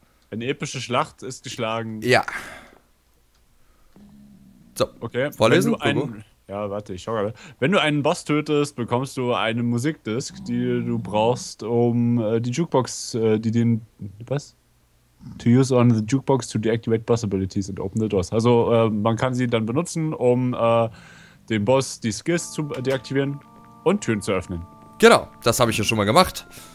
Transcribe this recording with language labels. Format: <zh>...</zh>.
<de>Eine epische Schlacht ist geschlagen. Ja. So. Okay. Vorlesen? Wenn du einen, ja, warte, ich schau gerade. Wenn du einen Boss tötest, bekommst du eine Musikdisc, die du brauchst, um die Jukebox, was?</de> <en>To use on the Jukebox to deactivate Boss Abilities and open the doors.</en> <de>Also, man kann sie dann benutzen, um dem Boss die Skills zu deaktivieren und Türen zu öffnen. Genau, das habe ich ja schon mal gemacht.</de>